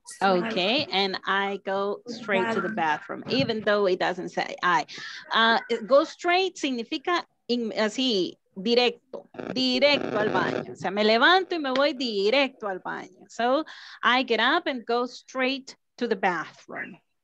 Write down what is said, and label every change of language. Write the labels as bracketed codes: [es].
[en] Okay, and I go straight to the bathroom, even though it doesn't say I. Go straight [es] significa así, directo, directo al baño. O sea, me levanto y me voy directo al baño. [en] So, I get up and go straight to the bathroom.